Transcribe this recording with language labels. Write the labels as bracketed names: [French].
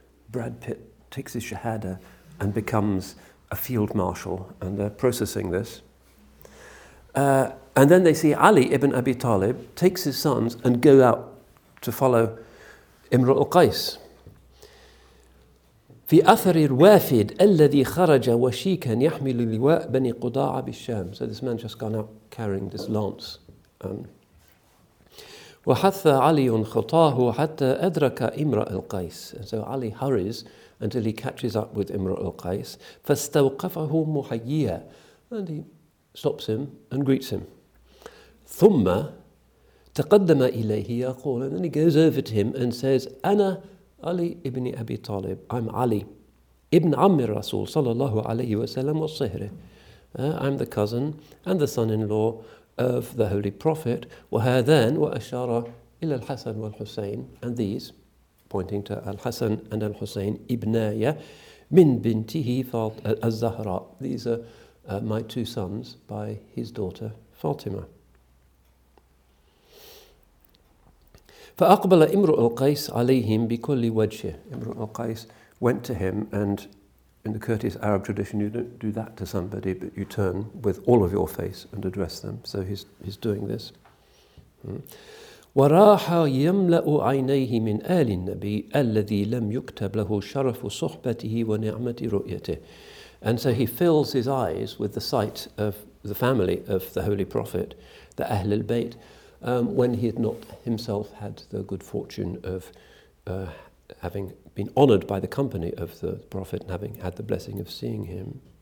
[English] Brad Pitt takes his shahada and becomes a field marshal, and they're processing this. And then they see Ali ibn Abi Talib takes his sons and go out to follow Imr al-Qais. [Arabic] في أثر الوافد الذي خرج وشيكا يحمل لواء بني قضاعة بالشام. [English] So this man just gone out carrying this lance. [Arabic] وحث علي خطاه حتى أدرك إمرء القيس. [English] So Ali hurries until he catches up with Imr al-Qais. [Arabic] فاستوقفه محييا. [English] And he stops him and greets him. [Arabic] ثم تقدم إليه يقول. [English] And then he goes over to him and says, أنا Ali ibn Abi Talib, I'm Ali [Arabic] ibn Ammi Rasul [English] sallallahu alayhi wa sallam [Arabic] wa sihri. [English] I'm the cousin and the son-in-law of the Holy Prophet. [Arabic] وهذان وأشار إلى الحسن والحسين. [English] And these, pointing to al-Hasan and al-Husayn, [Arabic] ibnaya min bintihi al-Zahra. [English] These are my two sons by his daughter Fatima. [Arabic] فأقبل إمرء القيس عليهم بكل وجه. [English] إمرء القيس went to him, and in the courteous Arab tradition, you don't do that to somebody, but you turn with all of your face and address them. So he's doing this. [Arabic] وراح يملأ عينيه من آل النبي الذي لم يكتب له شرف صحبته ونعمة رؤيته. [English] And so he fills his eyes with the sight of the family of the Holy Prophet, the Ahl al-Bayt, when he had not himself had the good fortune of having been honoured by the company of the Prophet and having had the blessing of seeing him.